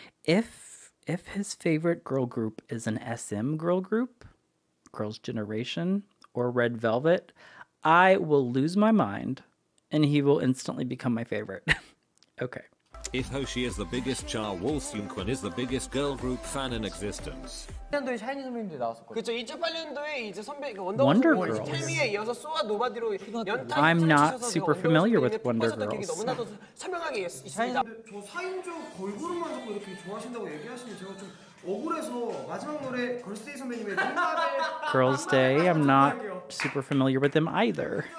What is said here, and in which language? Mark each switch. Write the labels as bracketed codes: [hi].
[en] If his favorite girl group is an SM girl group, Girls' Generation, or Red Velvet, I will lose my mind, and he will instantly become my favorite. Okay. If Hoshi is the biggest char, Wall Seung-kwon is the biggest girl group fan in existence. [ko] 2008년도에 샤이니 선배님들이 나왔었거든요. 그쵸, 2008년도에 이제 선배, 원더걸스 [en] Wonder Girls. [ko] 텔미에 이어서 소아 노바디로 연타. [en] I'm not super familiar with Wonder Girls. [ko] 너무나도 선명하게 있습니다. 저 4인조 걸그룹만 자꾸 이렇게 좋아하신다고 얘기하시면 제가 좀 억울해서 마지막 노래 걸스 데이 선배님의 눈나를 [en] Girls Day, I'm not super familiar with them either.